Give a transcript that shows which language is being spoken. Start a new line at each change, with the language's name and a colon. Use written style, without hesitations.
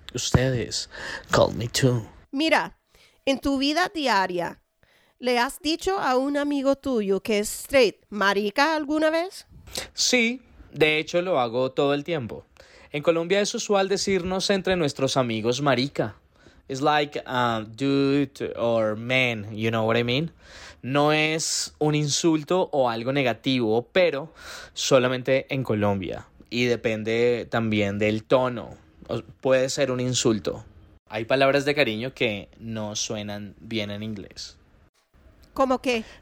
Spanish: Ustedes,
English: call me too.
Spanish: Mira, en tu vida diaria, ¿le has dicho a un amigo tuyo que es straight marica alguna vez? Sí, de hecho lo hago todo el tiempo. En Colombia es usual decirnos entre nuestros amigos marica.
English: It's like dude or man, you know what I mean?
Spanish: No es un insulto o algo negativo, pero solamente en Colombia. Y depende también del tono. Puede ser un insulto. Hay palabras de cariño que no suenan bien en inglés. ¿Cómo qué?